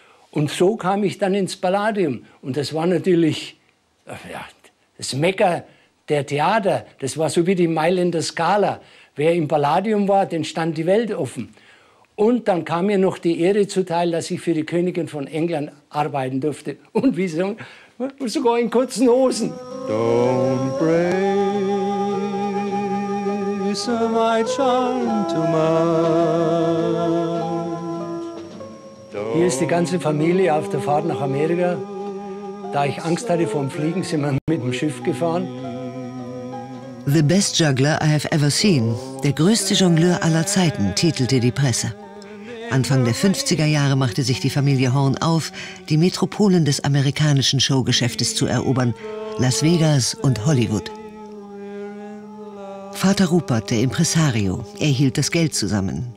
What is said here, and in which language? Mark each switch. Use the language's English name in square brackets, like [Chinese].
[German] Und so kam ich dann ins Palladium. Und das war natürlich ja, das Mekka der Theater. Das war so wie die Mailänder Scala. Wer im Palladium war, den stand die Welt offen. Und dann kam mir noch die Ehre zuteil, dass ich für die Königin von England arbeiten durfte. Und wie sie sagen, sogar in kurzen Hosen. [English] Don't break my charm too much. [German] Hier ist die ganze Familie auf der Fahrt nach Amerika. Da ich Angst hatte vor dem Fliegen, sind wir mit dem Schiff gefahren. [English] The best juggler I have ever seen. [German] Der größte Jongleur aller Zeiten, titelte die Presse. Anfang der 50er Jahre machte sich die Familie Horn auf, die Metropolen des amerikanischen Showgeschäftes zu erobern, Las Vegas und Hollywood. Vater Rupert, der Impresario, erhielt das Geld zusammen.